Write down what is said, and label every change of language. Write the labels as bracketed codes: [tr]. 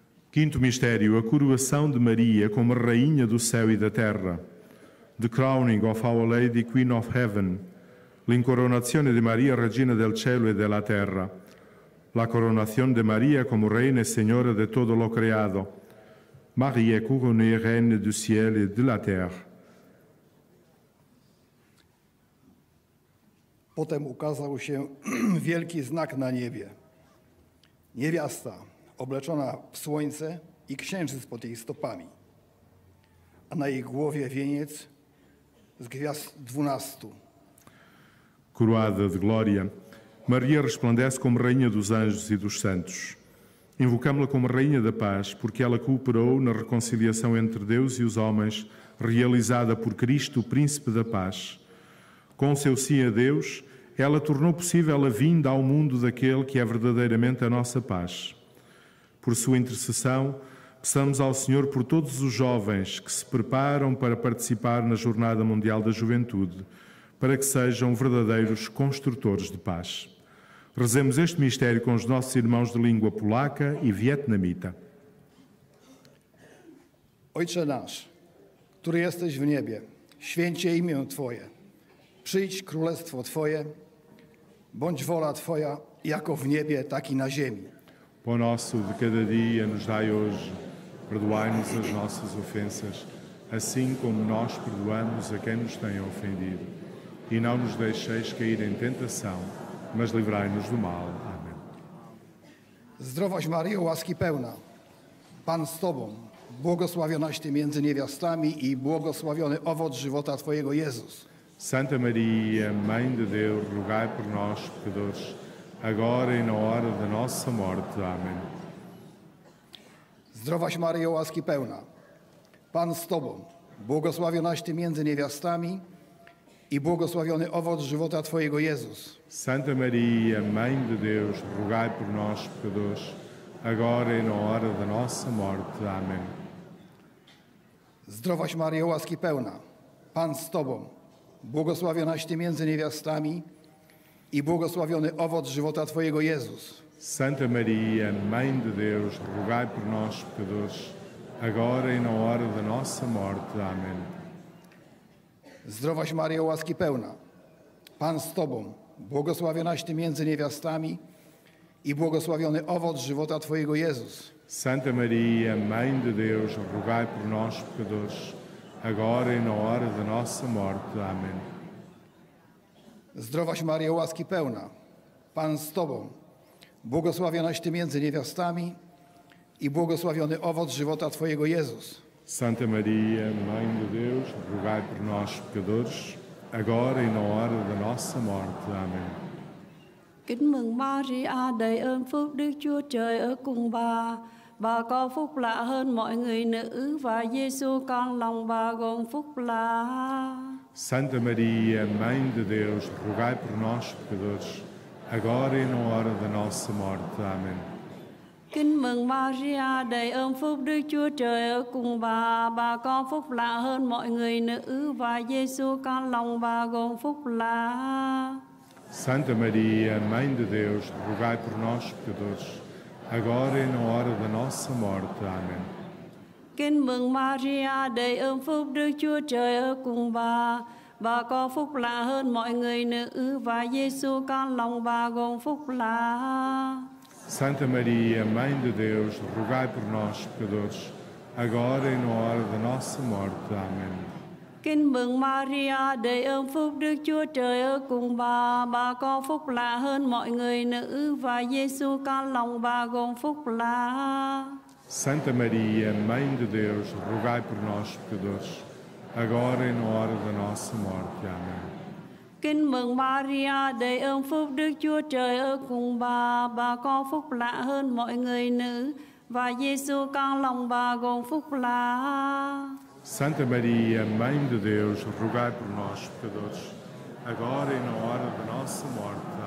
[pt] Quinto mistério, a coroação de Maria como Rainha do Céu e da Terra. [en] The crowning of Our Lady, Queen of Heaven. [it] L'incoronazione de Maria, Regina del Cielo e della Terra. [es] La coronazione de Maria como Reina e Senhora de todo lo creado. [fr] Maria est couronnée Reine du Ciel et de la Terre. [pl] Potem ukazał się wielki znak na niebie. Niewiasta obleczona w słońce i księżyc pod jej stopami, a na jej głowie wieniec z gwiazd 12. [pt] Coroada de glória, Maria resplandece como rainha dos anjos e dos santos. Invocámo-la como rainha da paz, porque ela cooperou na reconciliação entre Deus e os homens, realizada por Cristo, príncipe da paz. Com o seu sim a Deus, ela tornou possível a vinda ao mundo daquele que é verdadeiramente a nossa paz. Por sua intercessão, peçamos ao Senhor por todos os jovens que se preparam para participar na Jornada Mundial da Juventude, para que sejam verdadeiros construtores de paz. Rezemos este mistério com os nossos irmãos de língua polaca e vietnamita. [pl] Ojcze nasz, który jesteś w niebie, święcie imię Twoje, przyjdź królestwo Twoje, bądź wola Twoja jako w niebie, tak i na ziemi. [pt] Pão nosso de cada dia nos dai hoje, perdoai-nos as nossas ofensas, assim como nós perdoamos a quem nos tem ofendido. E não nos deixeis cair em tentação, mas livrai-nos do mal. Amém. [pl] Zdrowaś Maria, łaski pełna, Pan z Tobą, błogosławionaś Ty między niewiastami i błogosławiony owoc żywota Twojego, Jezus. [pt] Santa Maria, Mãe de Deus, rogai por nós, pecadores, agora e na hora da nossa morte. Amém. [pl] Zdrowaś Maria, łaski pełna, Pan z Tobą, błogosławionaś Ty między niewiastami i błogosławiony owoc żywota Twojego, Jezus. [pt] Santa Maria, Mãe de Deus, rogai por nós, pecadores, agora e na hora da nossa morte. Amém. [pl] Zdrowaś Maria, łaski pełna, Pan z Tobą, błogosławionaś Ty między niewiastami i błogosławiony owoc żywota Twojego, Jezus. [pt] Santa Maria, Mãe de Deus, rogai por nós, pecadores, agora e na hora da nossa morte. Amém. [pl] Zdrowaś Maria, łaski pełna, Pan z Tobą, błogosławionaś Ty między niewiastami i błogosławiony owoc żywota Twojego, Jezus. [pt] Santa Maria, Mãe de Deus, rogai por nós, pecadores, agora e na hora da nossa morte. Amém. [pl] Zdrowaś Maria, łaski pełna, Pan z Tobą, błogosławionaś Ty między niewiastami i błogosławiony owoc żywota Twojego, Jezus. [pt] Santa Maria, Mãe de Deus, rogai por nós, pecadores, agora e na hora da nossa morte. Amém. [vi] Kính mừng Maria, đầy ơn phúc Đức Chúa Trời ở cùng bà. bà con phúc lạ hơn mọi người nữ và Giêsu con lòng bà gồm phúc lạ. [pt] Santa Maria, Mãe de Deus, rogai por nós pecadores, agora e na hora da nossa morte. Amém. [vi] Kính mừng Maria, đầy ơn phúc Đức Chúa Trời ở cùng bà có phúc lạ hơn mọi người nữ và Giêsu con lòng bà gồm phúc lạ. [pt] Santa Maria, Mãe de Deus, rogai por nós pecadores, agora e na hora da nossa morte. Amém. [vi] Kính mừng Maria, đầy ơn phúc Đức Chúa Trời ở cùng bà có phúc lạ hơn mọi người nữ và Giêsu con lòng bà gồm phúc lạ. [pt] Santa Maria, Mãe de Deus, rogai por nós, pecadores, agora e na hora da nossa morte. Amém. [vi] Kính mừng Maria, đầy ơn phúc Đức Chúa Trời ở cùng bà có phúc lạ hơn mọi người nữ và Giêsu con lòng bà gồm phúc lạ. [pt] Santa Maria, Mãe de Deus, rogai por nós, pecadores, agora e na hora da nossa morte. Amém. [vi] Kính mừng Maria, đầy ơn phúc Đức Chúa Trời ở cùng bà có phúc lạ hơn mọi người nữ và Giêsu con lòng bà gồm phúc lạ. [pt] Santa Maria, Mãe de Deus, rogai por nós pecadores, agora e na hora da nossa morte.